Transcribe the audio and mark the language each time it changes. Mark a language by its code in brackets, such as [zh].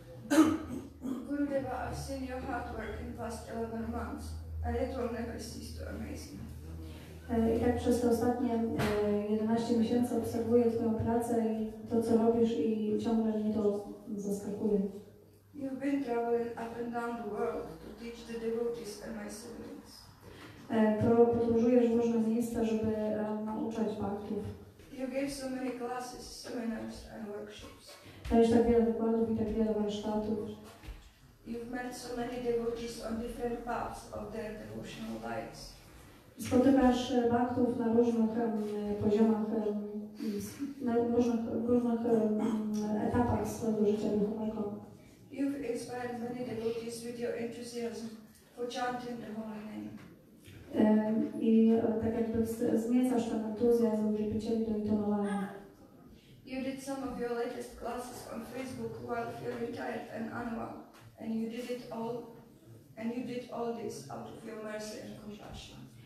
[en] Gurudeva, I've seen your hard work in past 11 months and it will never cease to amaze me. [pl] I tak przez te ostatnie 11 miesięcy obserwuję twoją pracę i to co robisz i ciągle mnie to zaskakuje. [en] You've been traveling up and down the world to teach the devotees and my siblings. [pl] Podróżujesz w różne miejsca, żeby nauczać bhaktów. [en] You gave so many classes, seminars and workshops. [pl] Dajesz tak wiele wykładów i tak wiele warsztatów. [en] You've met so many devotees on different paths of their devotional lives. [pl] Spotykasz bhaktów na różnych poziomach, na różnych etapach swojego życia duchowego. [en] You've inspired many devotees with your enthusiasm for chanting the holy name. [pl] I tak jakby zmiecasz ten entuzjazm, żeby cię do intonowania. [en] You did some of your latest classes on Facebook while you retired and unwell, and you did it all, and you did all this out of your mercy and compassion.